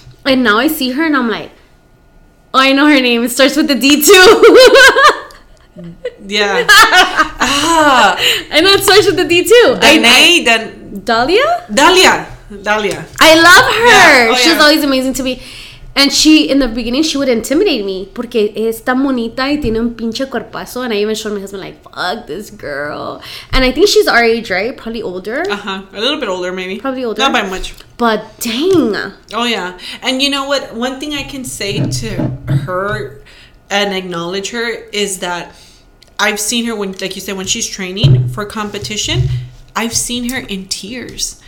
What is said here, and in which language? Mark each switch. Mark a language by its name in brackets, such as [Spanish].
[English] And now I see her and I'm like, oh, I know her name. It starts with the D too. Yeah. I know it starts with the D too. Dahlia. I love her. Yeah. Oh, she's always amazing to me. And she, in the beginning, she would intimidate me. [Spanish] Porque es tan bonita y tiene un pinche cuerpazo. [English] And I even showed my husband, like, fuck this girl. And I think she's our age, right? Probably older. Uh-huh. A little bit older, maybe. Probably older. Not by much. But dang. Oh, yeah. And you know what? One thing I can say to her and acknowledge her is that I've seen her, when, like you said, when she's training for competition, I've seen her in tears.